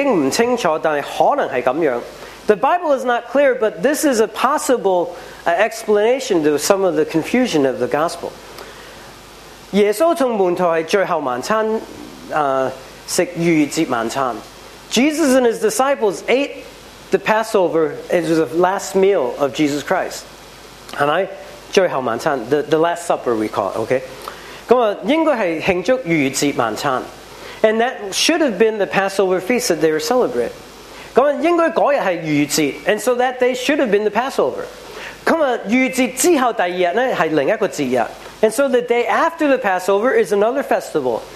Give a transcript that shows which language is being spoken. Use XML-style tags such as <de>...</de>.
<zh>我觉得是有圣经不清楚，但是可能是这样。</zh> <en>The Bible is not clear, but this is a possible explanation to some of the confusion of the gospel.</en> <zh>耶稣从门徒在最后晚餐，吃逾越节晚餐。</zh> <en>Jesus and his disciples ate the Passover as the last meal of Jesus Christ.</en> <zh>最后晚餐，</zh> <en>the last supper we call it, okay?</en> <zh>应该是庆祝逾越节晚餐。</zh> <en>And that should have been the Passover feast that they were celebrating.</en> <zh>应该那天是逾越节，</zh> <en>and so that day should have been the Passover.</en> <zh>逾越节之后第二天是另一个节日，</zh> <en>and so the day after the Passover is another festival,</en>